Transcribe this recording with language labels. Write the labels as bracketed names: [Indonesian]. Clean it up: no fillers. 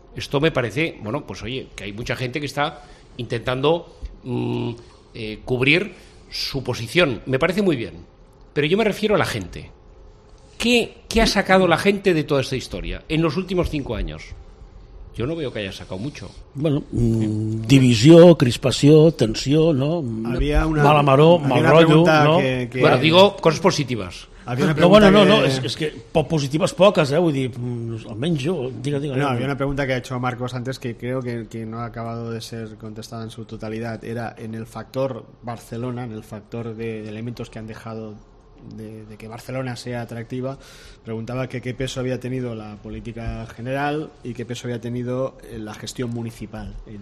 [Spanish] Esto me parece, bueno, pues oye, que hay mucha gente que está intentando cubrir su posición. Me parece muy bien, pero yo me refiero a la gente. ¿Qué ha sacado la gente de toda esta historia en los últimos 5 años? Jo no veo que haya sacado mucho. [Catalan] Bueno, divisió, crispació, tensió, no? Havia una mala maror, mal rotllo, no? [Spanish] Bueno, digo [Catalan] coses positives. És que positives poques, vull dir, almenys jo, diga. No, havia [Spanish] una pregunta que ha hecho Marcos antes que creo que no ha acabado de ser contestada en su totalidad. Era en el factor Barcelona, en el factor de elementos que han dejado de que Barcelona sea atractiva, preguntaba que qué peso había tenido la política general y qué peso había tenido la gestión municipal.